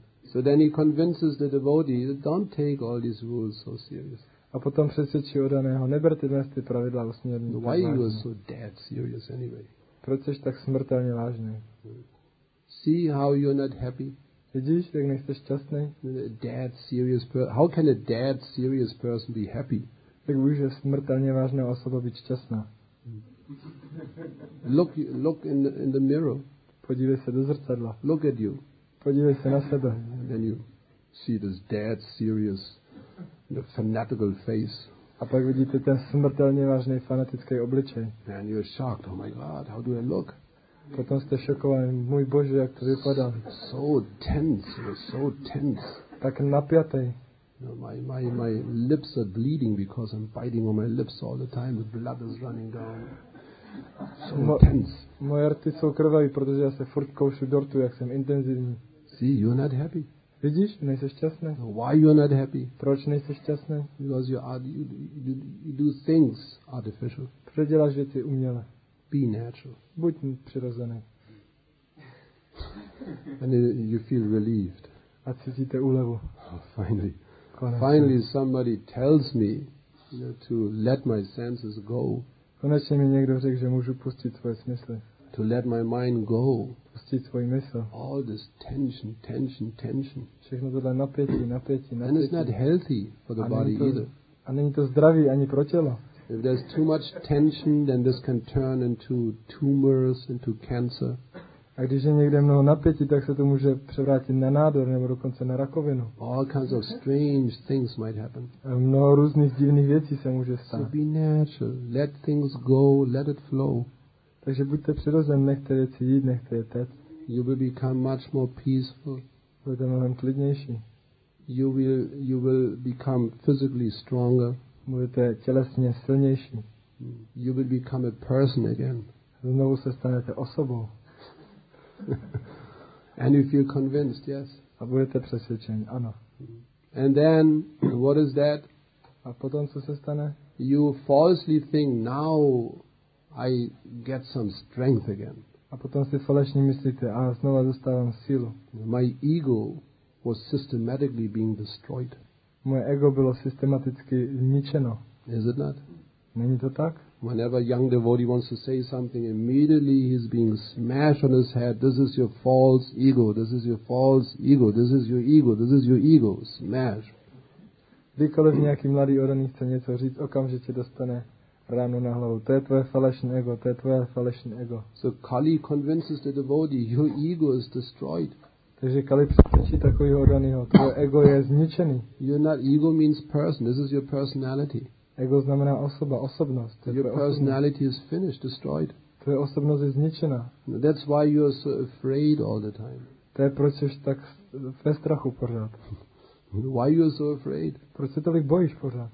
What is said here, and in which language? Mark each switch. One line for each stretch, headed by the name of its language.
English: So then he convinces the devotee that don't take all these rules so serious.
Czech: A potom přesvědčí odaného, neberte dnes ty pravidla usměrně.
English: Why you are so dead serious anyway?
Czech: Proč jsi tak smrtelně vážný?
English: See how you're not happy?
Czech: Vidíš, jak nejste šťastný?
English: Dead serious person. How can a dead serious person be happy?
Czech: Jak může smrtelně vážná osoba být šťastná?
English: Look in the mirror.
Czech: Podívej se do zrcadla.
English: Look at you.
Czech: Podívej se na sebe.
English: Then you see this dead, serious, fanatical face.
Czech: A pak vidíte ten smrtelně vážný fanatický obličej.
English: And you're shocked. Oh my God, how do I look?
Czech: Potom jste šokovaný. Můj Bože, jak to vypadá.
English: So tense, you're so tense.
Czech: Tak napjatý.
English: My lips are bleeding because I'm biting on my lips all the time. The blood is running down. So tense.
Czech: Moje rty jsou krvavé, protože já se furt koušu do rtu, jak jsem intenzivní.
English: See, you're not happy.
Czech: Vidíš, nejsi šťastný.
English: So why you're not happy?
Czech: Proč nejsi šťastný?
English: Because you do things artificial.
Czech: Proč děláš věci uměle?
English: Be natural.
Czech: Buď přirozený.
English: And you feel relieved.
Czech: A cítíte úlevu.
English: Oh, finally.
Czech: Konec.
English: Finally somebody tells me to let my senses go.
Czech: Konečně mi někdo řekl, že můžu pustit svoje smysly.
English: To let my mind go.
Czech: Pustit svoji mysl.
English: All this tension.
Czech: Všechno tohle napětí.
English: And it's not healthy for the body either.
Czech: A není to zdravý ani pro tělo.
English: If there's too much tension, then this can turn into tumors, into cancer.
Czech: A když je někde mnoho napětí, tak se to může převrátit na nádor nebo dokonce na rakovinu.
English: All kinds of strange things might happen.
Czech: A mnoho různých divných věcí se může stát.
English: So be natural. Let things go. Let it flow.
Czech: Takže buďte přirozeni, nechte věci jít, nechte je tec.
English: You will become much more peaceful.
Czech: Budete mnohem klidnější.
English: You will become physically stronger.
Czech: Budete tělesně silnější.
English: You will become a person again.
Czech: Znovu se stanete osobou.
English: And you feel convinced, yes.
Czech: A budete přesvědčeni, ano.
English: And then, what is that?
Czech: A potom, co se stane?
English: You falsely think, now I get some strength again.
Czech: A potom si falešně myslíte, a znova dostávám sílu.
English: My ego was systematically being destroyed.
Czech: Moje ego bylo systematicky zničeno.
English: Is it not?
Czech: Není to tak?
English: Whenever a young devotee wants to say something, immediately he's being smashed on his head. This is your false ego. This is your false ego. This is your ego. This is your ego. Smash.
Czech: Kdykoliv nějaký mladý odaný chce něco říct, okamžitě dostane ránu na hlavu. To je tvoje falešné ego. To je tvoje falešné ego.
English: So Kali convinces the devotee, your ego is destroyed.
Czech: Takže Kali přesvědčí takového odaného. Tvoje ego je zničený.
English: You're not ego means person. This is your personality.
Czech: Ego znamená osoba, osobnost.
English: Your osobnost. Personality is finished, destroyed.
Czech: Tvoje osobnost je zničená.
English: That's why you are so afraid all the time.
Czech: To je, proč jsi tak ve strachu pořád.
English: Why you are so afraid?
Czech: Proč se tolik bojíš pořád?